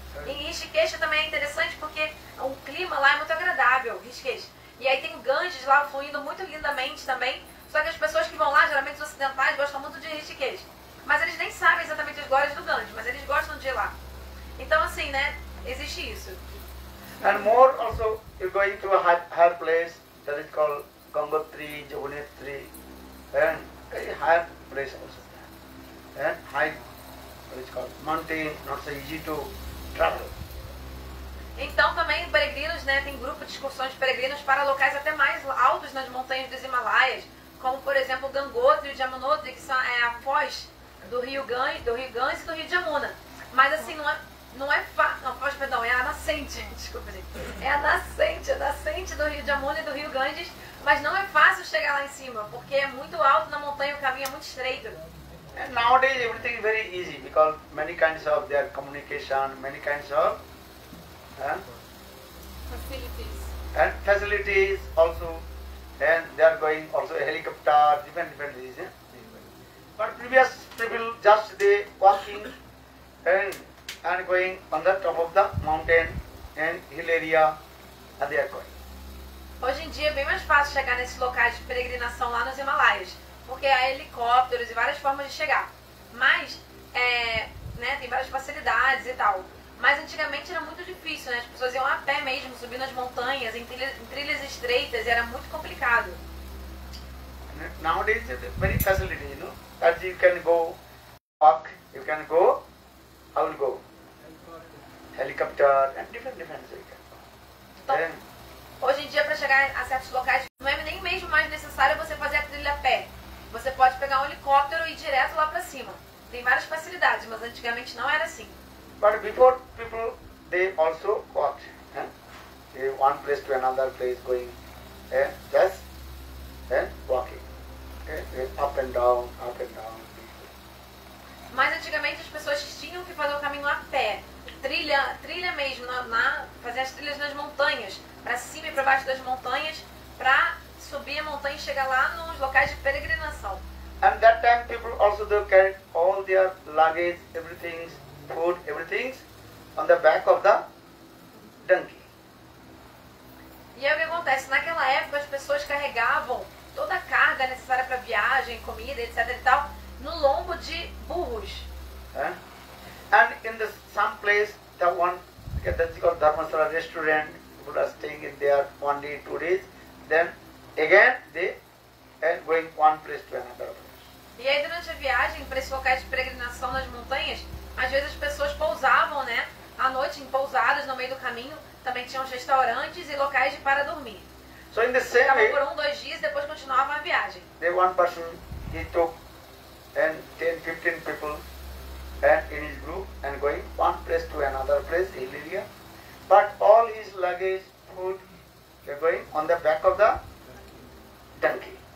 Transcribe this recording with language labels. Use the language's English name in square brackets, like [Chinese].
[Portuguese] Em Rishikesh também é interessante porque o clima lá é muito agradável, Rishikesh. E aí tem o Ganges lá fluindo muito lindamente também. Só que as pessoas que vão lá, geralmente os ocidentais, gostam muito de Rishikesh. Mas eles nem sabem exatamente as glórias do Ganges, mas eles gostam de ir lá. Então assim, né? Existe isso. [English] And more also, you're going to a higher place that is called Gangotri, Jamunotri, and a higher place also. And high, what is called mountain, not so easy to travel. [Portuguese] Então também peregrinos, né? Tem grupo de excursões de peregrinos para locais até mais altos nas montanhas dos Himalaias, como por exemplo Gangotri e Jamunotri, que são a foz do Rio Ganges, e do Rio Jamuna. Mas assim, é a nascente, desculpa, gente. É a nascente do Rio Jamuna e do Rio Ganges, mas não é fácil chegar lá em cima, porque é muito alto na montanha, o caminho é muito estreito. [English] And nowadays everything is very easy because many kinds of their communication, many kinds of facilities. And facilities also, and they are going also a helicopter, different things. Yeah? But previous people just they walking and going on the top of the mountain and hill area, and they are going. [Portuguese] Hoje em dia é bem mais fácil chegar nesses locais de peregrinação lá nos Himalaias, porque há helicópteros e várias formas de chegar. Mas, né, tem várias facilidades e tal. Mas antigamente era muito difícil, né? As pessoas iam a pé mesmo, subindo as montanhas, em trilhas estreitas, e era muito complicado. [English] Nowadays, it's very facility, you know? That you can go, walk, you can go, how will go? Helicopter, and different things. [Portuguese] Então, hoje em dia, para chegar a certos locais, não é nem mesmo mais necessário você fazer a trilha a pé. Você pode pegar um helicóptero e ir direto lá para cima. Tem várias facilidades, mas antigamente não era assim. [English] But before people, they also walked, one place to another place, going, just, walking, up and down, up and down. [Portuguese] Mas antigamente as pessoas tinham que fazer o caminho a pé, trilha mesmo, fazer as trilhas nas montanhas, para cima e para baixo das montanhas, para subir a montanha e chegar lá nos locais de peregrinação. [English] And that time people also they carry all their luggage, everything, food, everything, on the back of the donkey. [Portuguese] E aí o que acontece? Naquela época as pessoas carregavam toda a carga necessária para viagem, comida, etc. e tal, no lombo de burros. [English] And in the some place the one that is called Dharmasala restaurant, people are staying in there one day, 2 days, then again they are going one place to another place. [Portuguese] E aí durante a viagem para esses locais de peregrinação nas montanhas, às vezes as pessoas pousavam, né, à noite em pousadas no meio do caminho, também tinham restaurantes e locais de para dormir. [English] So in the same way, [Portuguese] por 1-2 dias, depois continuava a viagem. [English] The one person he took and 10-15 people and in his group and going one place to another place, hill area, but all his luggage, food, they're going on the back of the donkey.